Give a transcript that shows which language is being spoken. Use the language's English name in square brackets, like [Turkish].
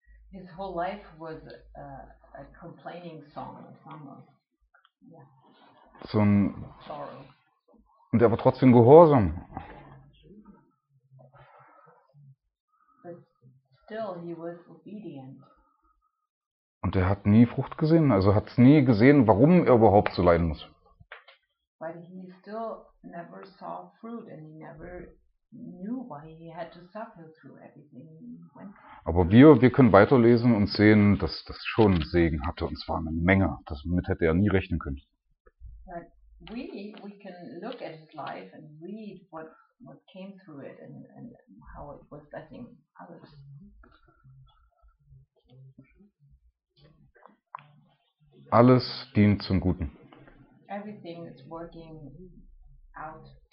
[English] His whole life was a complaining song, a song of, [German] yeah. So ein Sorrow. Und er war trotzdem gehorsam. [English] But still he was obedient. [German] Und er hat nie Frucht gesehen, also hat es nie gesehen, warum er überhaupt so leiden muss. [English] But he still never saw fruit and he never knew why he had to suffer through everything. [German] Aber wir können weiterlesen und sehen, dass das schon Segen hatte, und zwar eine Menge. Damit hätte er nie rechnen können. [English] But we can look at his life and read what came through it and how it was blessing others. [German] Alles dient zum Guten. [English] Everything is working out.